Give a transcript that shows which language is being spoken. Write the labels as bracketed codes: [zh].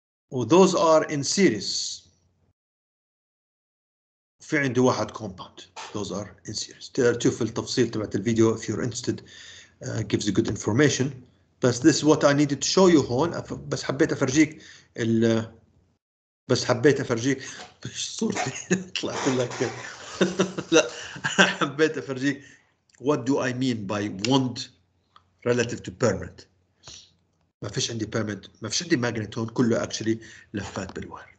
[en] و those are in series. في عندي واحد compound. Those are in series. [ar] تقدر تشوف التفصيل تبعت الفيديو if you're interested. [en] Gives you good information. بس this is what I needed to show you هون. [ar] بس حبيت افرجيك صورتي طلعت لك. [en] لا حبيت افرجيك what do I mean by wound relative to permanent. [ar] ما فيش عندي permanent، ما فيش عندي magnet هون، كله actually لفات بالوهر.